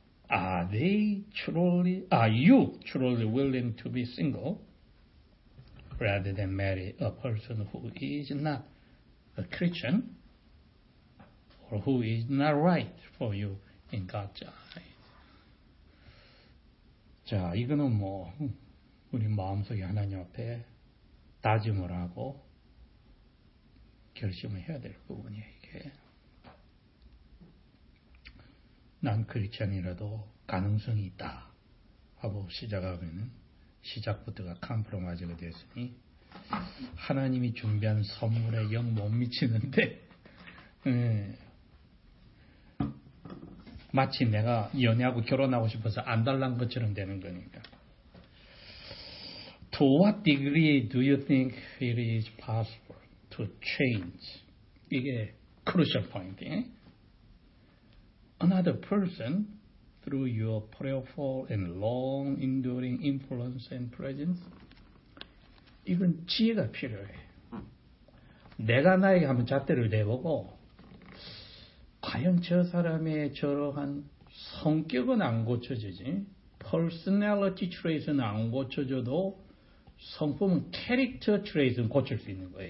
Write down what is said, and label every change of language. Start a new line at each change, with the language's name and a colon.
English: Are you truly willing to be single rather than marry a person who is not a Christian or who is not right for you in God's eyes.
Korean: 자, 이거는 뭐 우리 마음속에 하나님 앞에 다짐을 하고 결심을 해야 될 부분이에요. 이게 난 크리스천이라도 가능성이 있다 하고 시작하면 시작부터가 컴프로마이즈가 되었으니 하나님이 준비한 선물에 영 못 미치는데 마치 내가 연애하고 결혼하고 싶어서 안달난 것처럼 되는 거니까.
English: To what degree do you think it is possible to change?
Korean: 이게
English: crucial point. Another person through your prayerful and long enduring influence and presence.
Korean: 이건 지혜가 필요해. 내가 나에게 한번 잣대를 대보고 과연 저 사람의 저러한 성격은 안 고쳐지지. Personality trait은 안 고쳐져도 성품은 캐릭터 트레이스는 고칠 수 있는 거예요.